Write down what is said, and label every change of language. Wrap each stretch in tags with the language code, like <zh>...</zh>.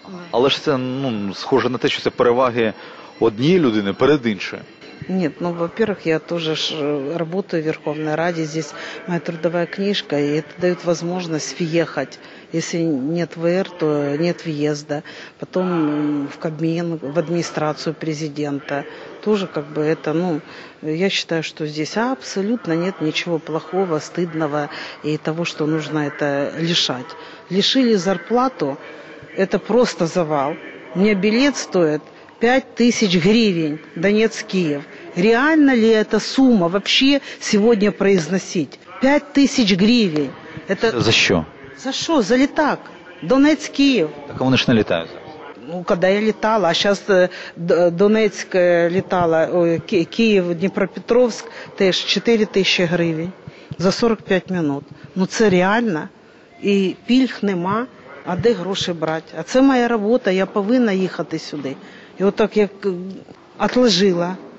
<uk>Але ж це, схоже на те, що це переваги однієї людини перед іншою.</uk> <ru>Нет, во-первых, я тоже работаю в Верховной Раде, здесь моя трудовая книжка, и это дает возможность въехать. Если нет ВР, то нет въезда. Потом в Кабмин, в администрацию президента. Тоже я считаю, что здесь абсолютно нет ничего плохого, стыдного и того, что нужно это лишать. Лишили зарплату, это просто завал. У меня билет стоит 5000 гривен, Донецк-Киев. Реально ли эта сумма вообще сегодня произносить? 5000 гривен. Это за что? За что? За летак. Донецк-Киев. Так они же не летают. Когда я летала, а сейчас Донецк летала, Киев, Днепропетровск, теж 4000 гривен за 45 минут.</ru> <uk>Це реально. І пільг нема, а де гроші брати? А це моя робота, я повинна їхати сюди. І отак я відложила.</uk>